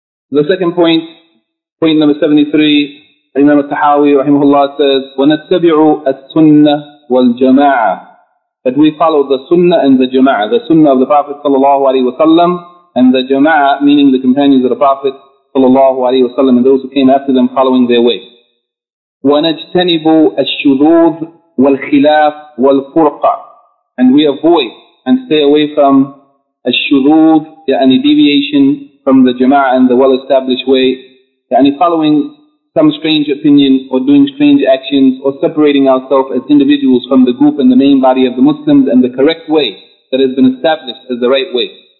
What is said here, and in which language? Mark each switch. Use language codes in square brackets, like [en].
[en] The second point, point number 73, Imam al-Tahawi rahimahullah says, [ar] وَنَتَّبِعُ السُنَّةِ وَالْجَمَاعَةِ, [en] that we follow the sunnah and the jama'ah, the sunnah of the Prophet sallallahu alayhi wa sallam, and the jama'ah, meaning the companions of the Prophet sallallahu alayhi wa sallam, and those who came after them following their way. [ar] وَنَجْتَنِبُ الشُّذُوذِ وَالْخِلَافِ وَالْفُرْقَةِ, [en] and we avoid and stay away from الشذوذ, يعني deviation from the jama'ah and the well-established way, يعني following some strange opinion or doing strange actions or separating ourselves as individuals from the group and the main body of the Muslims and the correct way that has been established as the right way.